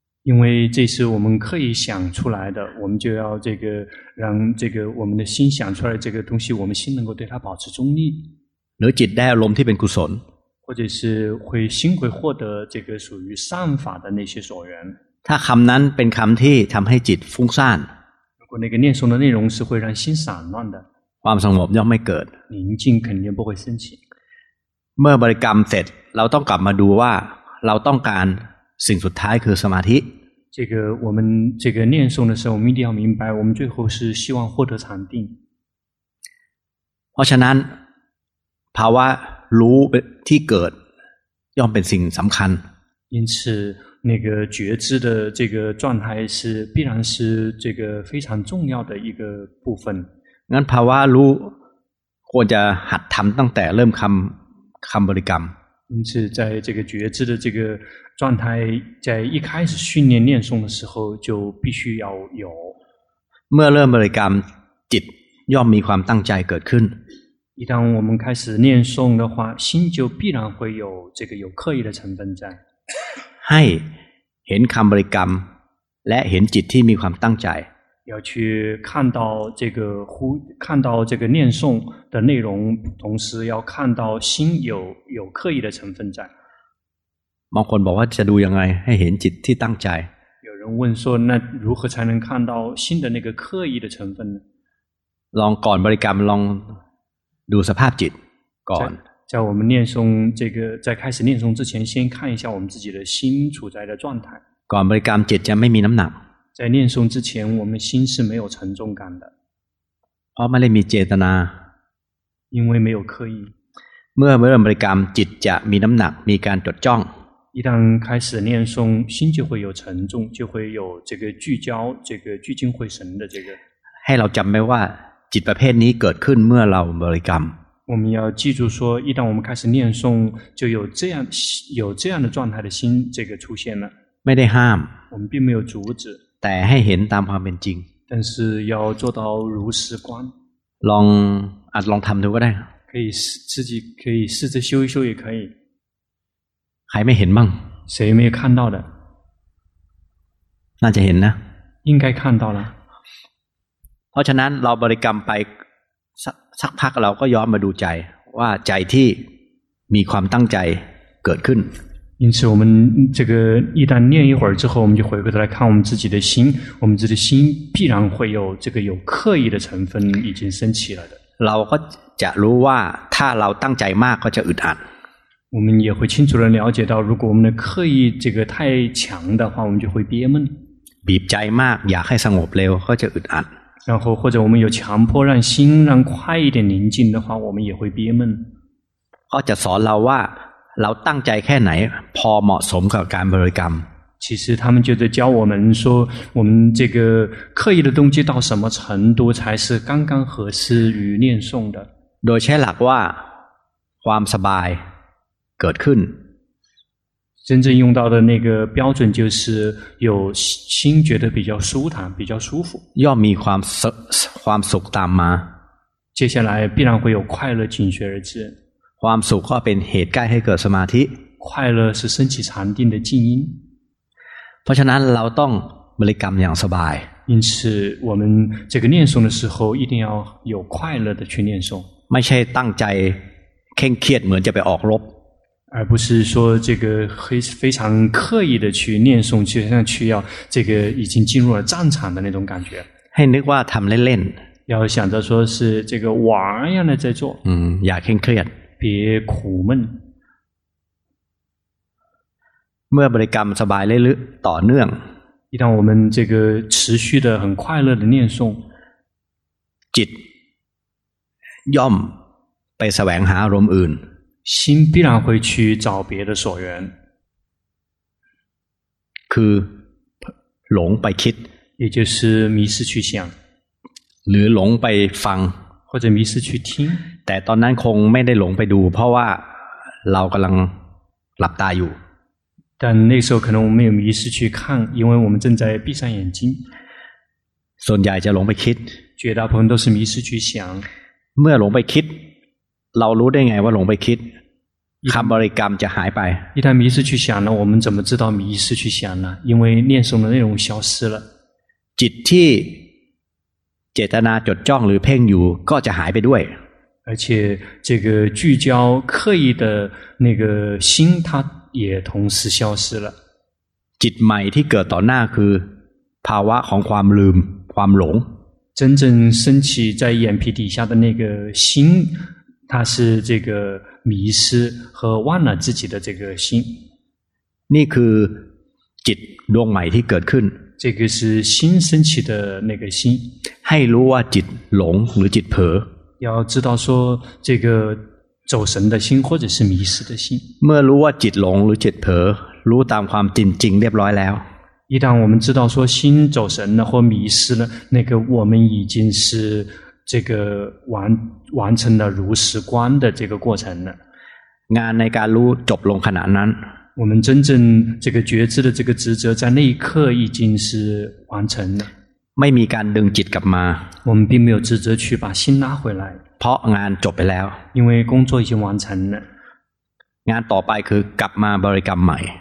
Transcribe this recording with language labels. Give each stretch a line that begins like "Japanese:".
Chinese: 因为这是我们刻意想出来的我们就要这个让这个我们的心想出来这个东西我们心能够对它保持中立
Thai: หรือจิตได้อารมณ์ที่เป็นกุศล
Chinese: 或者是会心会获得这个属于善法的那些所缘
Thai: ถ้าคำนั้นเป็นคำที่ทำให้จิตฟุ้งซ่าน
Chinese: 如果那个念诵的内容是会让心散乱的
Thai: ความสงบย่อมไม่เกิด
Chinese: 宁静肯定不会升起
Thai: เมื่อบริกรรมเสร็จเราต้องกลับมาดูว่าเราต้องการสิ่งสุดท้ายคือสมาธิ
Chinese: 这个我们这个念诵的时候我们一定要明白我们最后是希望获得禅定
Thai: เพราะฉะนั้นภาวะรู้ที่เกิดย่อมเป็นสิ่งสำคัญ
Chinese: 因此那个觉知的这个状态是必然是这个非常重要的一个部分
Thai: งั้นภาวะรู้ควรจะหัดทำตั้งแต่เริ่มคำบริกรรม
Chinese: 因此在这个觉知的这个状态在一开始训练念诵的时候就必须要有
Thai: เมื่อเริ่มบริกรรมจิตย่อมมีความตั้งใจเกิดขึ้น
Chinese: 一旦我们开始念诵的话心就必然会有这个有刻意的成分在
Thai: ให้เห็นคำบริกรรมและเห็นจิตที่มีความตั้งใจ
Chinese: 要去看到这个呼，看到这个念诵的内容，同时要看到心有刻意的成分在。
Thai: บางคนบอกว่าจะดูยังไงให้เห็นจิตที่ตั้งใจ。
Chinese: 有人问说，那如何才能看到心的那个刻意的成分呢？
Thai: ลองก่อนบริกรรมลองดูสภาพจิตก่อน。
Chinese: 在我们念诵这个，在开始念诵之前，先看一下我们自己的心处在的状态。
Thai: ก่อนบริกรรมจิตจะไม่มีน้ำหนัก。
Chinese: 在念诵之前我们心是没有沉重感的
Thai: เพราะไม่ได้มีเจตนา
Chinese: 因为没有刻意
Thai: เมื่อเริ่มบริกรรมจิตจะมีน้ำหนักมีการจดจ้อง
Chinese: 一旦开始念诵心就会有沉重就会有这个聚焦这个聚精会神的这个
Thai: ให้เราจำไว้ว่าจิตประเภทนี้เกิดขึ้นเมื่อเราบริกรรม
Chinese: 我们要记住说一旦我们开始念诵就有这样的状态的心这个出现了
Thai: ไม่ได้ห้าม
Chinese: 我们并没有阻止
Thai: แต่ให้เห็นตามความเป็นจริง
Chinese: 但是要做到如实观
Thai: ลองอาจลองทำดูก็ได้
Chinese: 可以自己可以试着修一修也可以还没
Thai: เห็นบ้าง
Chinese: 谁没有看到的
Thai: น่าจะเห็นนะ
Chinese: 应该看到了
Thai: เพราะฉะนั้นเราบริกรรมไปสักพักเราก็ย้อนมาดูใจว่าใจที่มีความตั้งใจเกิดขึ้น
Chinese: 因此我们这个一旦念一会儿之后我们就回过头来看我们自己的心我们自己的心必然会有这个有刻意的成分已经升起了的
Thai: เราก็จะรู้ว่าถ้าเราตั้งใจมากก็จะอึดอัด
Chinese: 我们也会清楚地了解到如果我们的刻意这个太强的话我们就会憋闷
Thai: บีบใจมากอยากให้สงบเร็วก็จะอึดอัด
Chinese: 然后或者我们有强迫让心让快一点宁静的话我们也会憋闷
Thai: ก็จะสอนเราว่าเราตั้งใจแค่ไหนพอเหมาะสมกับการบริกรรม
Chinese: 其实他们就在教我们说我们这个刻意的动机到什么程度才是刚刚合适于念诵的
Thai: โดยใช้หลักว่าความสบายเกิดขึ้น
Chinese: 真正用到的那个标准就是有心觉得比较舒坦比较舒服
Thai: ย่อมมีความสุขตามมา
Chinese: 接下来必然会有快乐紧随而至
Thai: ความสุขก็เป็นเหตุใกล้ให้เกิดสมาธิ
Chinese: 快乐是升起禅定的静音
Thai: เพราะฉะนั้นเราต้องบริกรรมอย่างสบาย
Chinese: 因此我们这个念诵的时候一定要有快乐的去念诵
Thai: ไม่ใช่ตั้งใจ คร่งเครียดเหมือนจะไปออกรบ
Chinese: 而不是说这个非常刻意的去念诵，就像去要这个已经进入了战场的那种感觉。
Thai: ให้นึกว่าทำเล่น
Chinese: ๆ要想着说是这个玩一样的在做。
Thai: อย่าเคร่งเครียด
Chinese: 别苦闷。
Thai: เมื่อบริกรรมสบายเรื่อยๆต่อเนื่อง
Chinese: 一旦我们这个持续的很快乐的念诵，
Thai: จิตย่อมไปแสวงหาอารมณ์อื่น
Chinese: 心必然会去找别的所缘，
Thai: คือหลงไปคิด，
Chinese: 也就是迷失去想，
Thai: หรือหลงไปฟัง，
Chinese: 或者迷失去听。
Thai: แต่ตอนนั้นคงไม่ได้หลงไปดูเพราะว่าเรากำลังหลับตาอยู่。
Chinese: 但那时候可能我们没有迷失去看，因为我们正在闭上眼睛。
Thai: ส่วนใหญ่จะหลงไปคิด，
Chinese: 绝大部分都是迷失去想。
Thai: เมื่อหลงไปคิดเรารู้ได้ไงว่าหลงไปคิดคำบริกรรมจะหายไป
Chinese: 一旦迷失去想了我们怎么知道迷失去想了因为念诵的内容消失了
Thai: จิตที่เจตนาจดจ้องหรือเพ่งอยู่ก็จะหายไปด้วย
Chinese: 而且这个聚焦刻意的那个心它也同时消失了
Thai: จิตใหม่ที่เกิดต่อหน้าคือภาวะของความลืมความหลง
Chinese: 真正升起在眼皮底下的那个心他是这个迷失和忘了自己的这个心
Thai: นี่คือจิตดวงใหม่ที่เกิดขึ้น
Chinese: 这个是新升起的那个心
Thai: ให้รู้ว่าจิตหลงหรือจิตเผลอ
Chinese: 要知道说这个走神的心或者是迷失的心
Thai: เมื่อรู้ว่าจิตหลงหรือจิตเผลอรู้ตามความจริงเรียบร้อยแล้ว
Chinese: 一旦我们知道说心走神了或迷失了那个我们已经是这个完成了如实观的这个过程了
Thai: งานในการรู้จบลงขนาดนั้น
Chinese: 我们真正这个觉知的这个职责在那一刻已经是完成了
Thai: ไม่มีการดึงจิตกลับมา
Chinese: 我们并没有职责去把心拉回来
Thai: เพราะงานจบไปแล้ว
Chinese: 因为工作已经完成了
Thai: งานต่อไปคือกลับมาบริกรรมใหม่